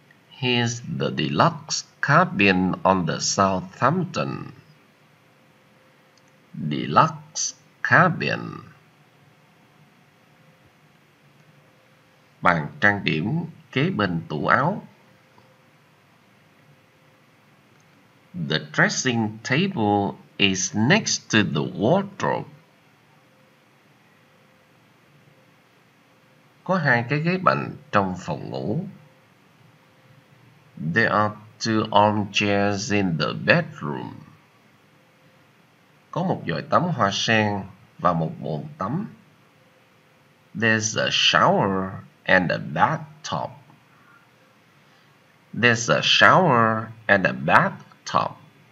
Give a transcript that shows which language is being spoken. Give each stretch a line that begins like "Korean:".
English: Here's the deluxe cabin on the Southampton. Deluxe cabin.
Vietnamese: Bàn trang điểm kế bên tủ áo.
English: The dressing table is next to the wardrobe.
Vietnamese: Có hai cái ghế bành trong phòng ngủ.
English: There are two armchairs in the bedroom.
Vietnamese: có một vòi tắm hoa sen và một bồn tắm.
English: There's a shower and a bathtub. There's a shower and a bathtub.